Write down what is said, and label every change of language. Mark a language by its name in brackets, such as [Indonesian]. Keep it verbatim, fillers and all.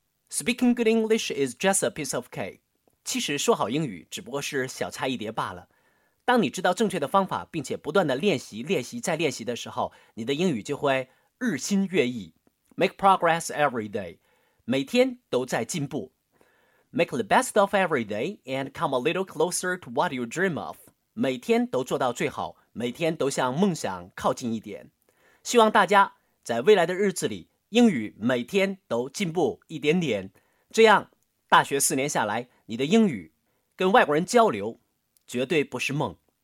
[English] Speaking good English is just a piece of cake. [Chinese] 其实说好英语只不过是小菜一碟罢了。当你知道正确的方法，并且不断的练习练习再练习的时候，你的英语就会日新月异。 [English] Make progress every day. [Chinese] 每天都在进步。 [English] Make the best of every day and come a little closer to what you dream of. [Chinese] 每天都做到最好，每天都向梦想靠近一点。希望大家在未来的日子里，英语每天都进步一点点，这样大学四年下来，你的英语跟外国人交流绝对不是梦。